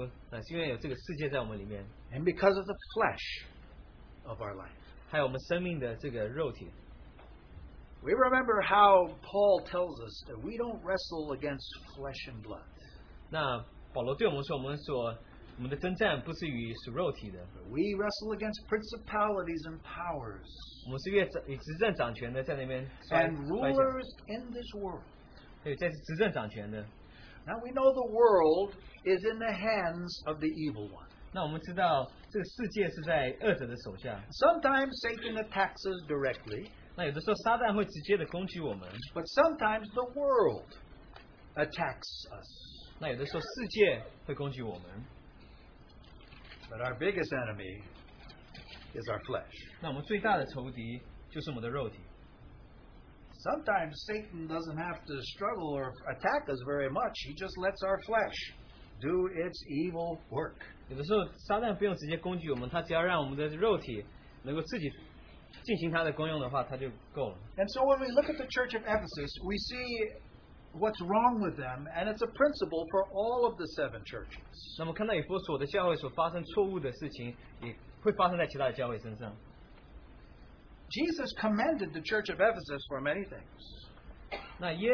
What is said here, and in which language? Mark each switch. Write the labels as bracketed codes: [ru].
[en] And because of the flesh of our life. [zh] 还有我们生命的这个肉体。 [en] We remember how Paul tells us that we don't wrestle against flesh and blood. [zh] 那保罗对我们说，我们的征战不是与属肉体的。 [en] We wrestle against principalities and powers. [zh] 我们是与执政掌权的在那边摔跤。 [en] And rulers in this world. [zh] 对，在执政掌权的。 [en] Now we know the world is in the hands of the evil one. [zh] 那我们知道这个世界是在恶者的手下。 [en] Sometimes Satan attacks us directly. [zh] 那有的时候撒旦会直接的攻击我们。 [en] But sometimes the world attacks us. [zh] 那有的时候世界会攻击我们。 [en] But our biggest enemy is our flesh. [zh] 那我们最大的仇敌就是我们的肉体。 [en] Sometimes Satan doesn't have to struggle or attack us very much. He just lets our flesh do its evil work. [zh] 有的时候撒旦不用直接攻击我们，他只要让我们的肉体能够自己进行他的功用的话，他就够了。 [en] And so when we look at the church of Ephesus, we see what's wrong with them, and it's a principle for all of the seven churches. [zh] 那么看到以弗所的教会所发生错误的事情，也会发生在其他的教会身上。 [en] Jesus commended the church of Ephesus for many things.